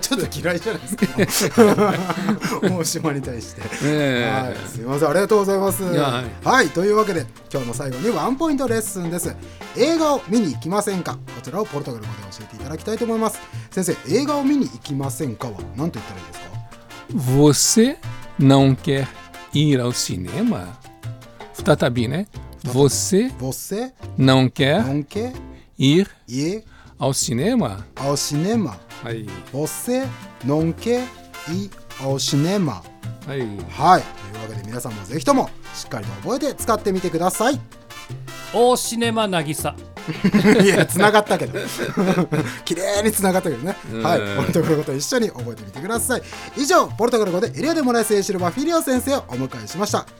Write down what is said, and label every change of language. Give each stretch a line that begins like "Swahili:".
Japanese: ちょっと嫌いじゃないですか。ゴーシワに対して。すみません、ありがとうございます。はい、というわけで、今日の最後にワンポイントレッスンです。映画を見に行きませんか？こちらをポルトガル語で教えていただきたいと思います。先生、映画を見に行きませんかは何と言ったらいいですか？
Portuguese: Você não quer ir ao cinema?
Japanese: 再びね。
Portuguese: Você não quer ir ao cinema? Ao cinema. Aí. Você não quer ir ao cinema? Aí.
Japanese: はい。というわけで皆さんもぜひともしっかりと覚えて使ってみてください。オーシネマナギサ。いや、つながったけど。綺麗につながったけどね。はい。ポルトガル語と一緒に覚えてみてください。以上、ポルトガル語でエリアデモライセイシルバフィリオ先生をお迎えしました。